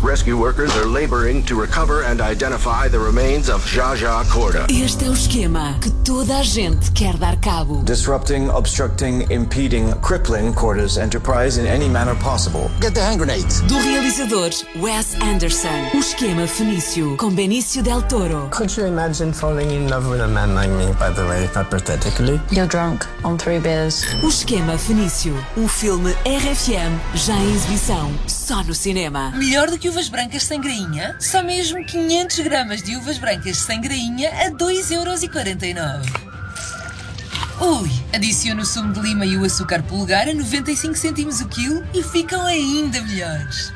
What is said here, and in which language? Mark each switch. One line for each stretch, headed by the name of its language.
English: Rescue workers are laboring to recover and identify the remains of Zsa Zsa Korda.
Portuguese: Este é o esquema que toda a gente quer dar cabo.
English: Disrupting, obstructing, impeding, crippling Korda's enterprise in any manner possible. Get the hand grenade.
Portuguese: Do realizador Wes Anderson. O esquema fenício com Benicio Del Toro.
English: Could you imagine falling in love with a man like me, by the way, hypothetically? You're drunk on 3 beers.
Portuguese: O esquema fenício. Um filme RFM já em exibição, só no cinema. Melhor do que uvas brancas sem grainha? Só mesmo 500 gramas de uvas brancas sem grainha a 2,49€. Ui! Adicione o sumo de lima e o açúcar pulgar a 95 cêntimos o quilo e ficam ainda melhores.